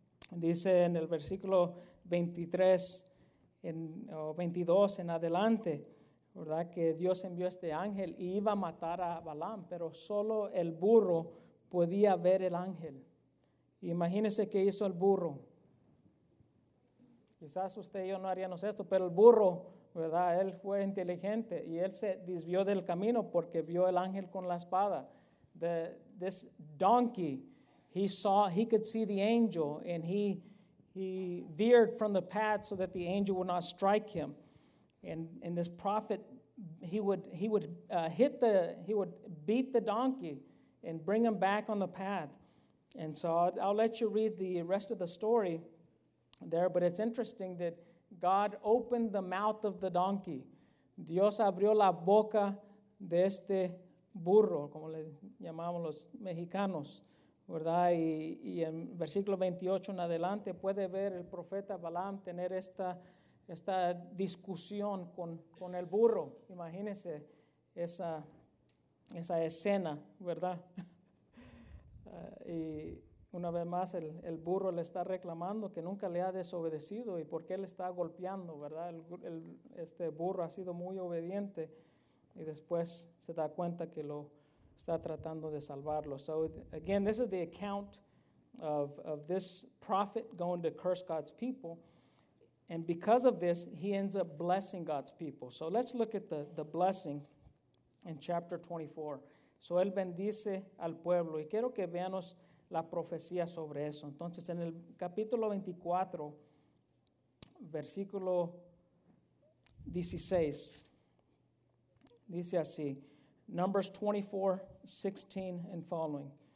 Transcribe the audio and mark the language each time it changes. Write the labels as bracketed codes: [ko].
[es] Dice en el versículo 23 o 22 en adelante, ¿verdad?, que Dios envió este ángel y iba a matar a Balaam, pero solo el burro podía ver el ángel. Imagínese qué hizo el burro. Quizás usted y yo no haríamos esto, pero el burro, ¿verdad?, él fue inteligente y él se desvió del camino porque vio el ángel con la espada. [en] This donkey, he could see the angel, and he veered from the path so that the angel would not strike him. And this prophet, he would beat the donkey and bring him back on the path. And so I'll let you read the rest of the story there, but it's interesting that God opened the mouth of the donkey. Dios abrió la boca de este burro, como le llamamos los mexicanos, ¿verdad? Y en versículo 28 en adelante puede ver el profeta Balaam tener esta discusión con el burro. Imagínese esa escena, ¿verdad? Y una vez más el burro le está reclamando que nunca le ha desobedecido y por qué le está golpeando, ¿verdad? Este burro ha sido muy obediente y después se da cuenta que lo está tratando de salvarlo. So again, this is the account of this prophet going to curse God's people. And because of this, he ends up blessing God's people. So let's look at the blessing in chapter 24. [es] So él bendice al pueblo. Y quiero que veamos la profecía sobre eso. Entonces, en el capítulo 24, versículo 16, dice así, [en] Numbers 24, 16 and following.